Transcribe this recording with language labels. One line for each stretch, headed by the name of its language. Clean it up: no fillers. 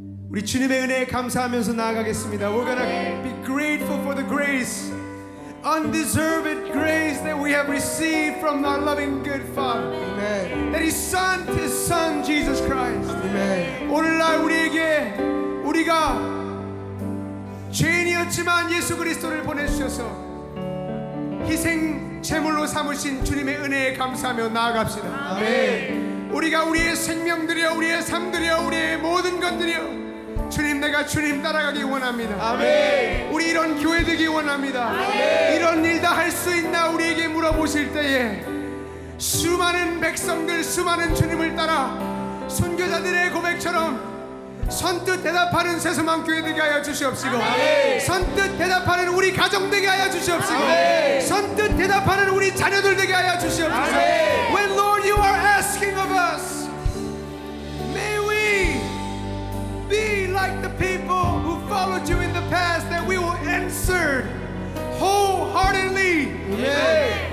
Korean: 우리 주님의 은혜에 감사하면서 나아가겠습니다.
English: We're gonna be grateful for the grace, undeserved grace that we have received from our loving good Father. Amen. That He sent His Son, Jesus Christ. Amen.
Korean: 오늘날 우리에게 우리가 죄인이었지만 예수 그리스도를 보내주셔서 희생 제물로 삼으신 주님의 은혜에 감사하며 나아갑시다. 아멘. 우리가 우리의 생명들이여, 우리의 삶들이여, 우리의 모든 것들이여, 주님 내가 주님 따라가기 원합니다. 아멘. 우리 이런 교회 되기 원합니다. 아멘. 이런 일 다 할 수 있나 우리에게 물어보실 때에 수많은 백성들, 수많은 주님을 따라 선교자들의 고백처럼 선뜻 대답하는 새소망 교회 되게 하여 주시옵시고, 아멘. 선뜻 대답하는 우리 가정 되게 하여 주시옵시고, 아멘. 선뜻 대답하는 우리 자녀들 되게 하여 주시옵시고, 아멘.
English: When Lord you are asking of us, may we be like the people who followed you in the past, that we will answer wholeheartedly,
Korean: 아멘.